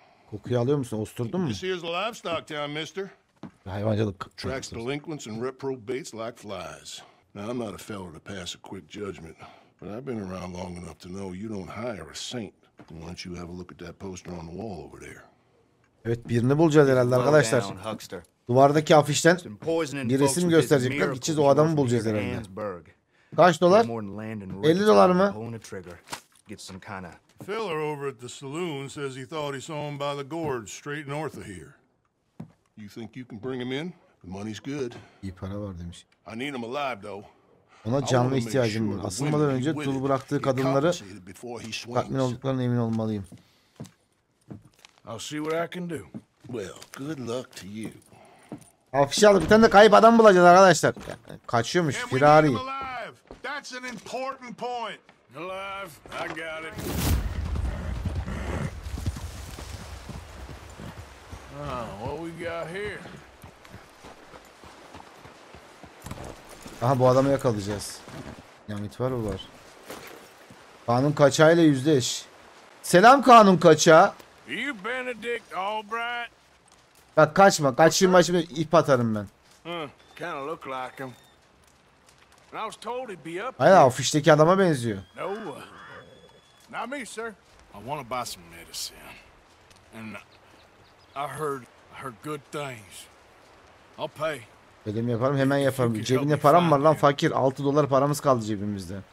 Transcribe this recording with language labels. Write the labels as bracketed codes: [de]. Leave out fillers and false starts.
[tr] Kokuyu alıyor musun? Osturdun mu? [en] This here's a livestock town, mister. [tr] Hayvancılık. [en] Tracks delinquents and reprobates like flies. Now I'm not a feller to pass a quick judgment, but I've been around long enough to know you don't hire a saint. Why don't you have a look at that poster on the wall over there? [tr] Evet, birini bulacağız herhalde arkadaşlar. Duvardaki afişten bir resim gösterecekler. Gideceğiz, o adamı bulacağız herhalde. Kaç dolar? 50 dolar mı? [en] Filler over at the saloon says he thought he saw him by the gorge straight north of here. You think you can bring him in? The money's good. [tr] İyi para var demiş. [en] I need him alive though. [tr] Ona canlı ihtiyacım var. Asılmadan önce dul bıraktığı kadınları tatmin olduklarına emin olmalıyım. [en] I'll see what I can do. Well, good luck to you. [tr] Afişi aldık. Bir tane de kayıp adam bulacağız arkadaşlar. Kaçıyormuş. Firari. [en] That's an important point. Alive. I got it. What we got here? [tr] Aha, bu adamı yakalayacağız. Yani var o var. Kanun kaçağı ile yüzleş. Selam kanun kaçağı. [en] You Benedict Albright? [tr] Bak kaçma, kaçayım başımı ip atarım ben. [en] Kinda look like him. And I was told he'd be up. [tr] Hayır, afişteki adama benziyor. [en] No, not me, sir. I want to buy some medicine, and I heard good things. I'll pay. [tr] Ödem yaparım, hemen yaparım. Cebinde param var lan fakir. 6 dolar paramız kaldı cebimizde.